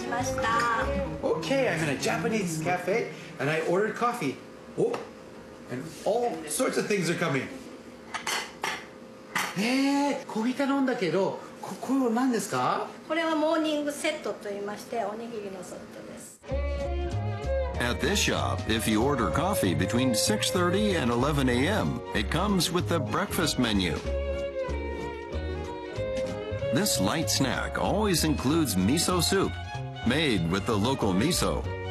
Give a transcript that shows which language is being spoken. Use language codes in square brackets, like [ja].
[en] Okay, I'm in a Japanese cafe and I ordered coffee. Oh, and all sorts of things are coming. [ja] コーヒー頼んだけど これは何ですか? [en] At this shop, if you order coffee between 6:30 and 11 a.m., it comes with the breakfast menu. This light snack always includes miso soup, made with the local miso.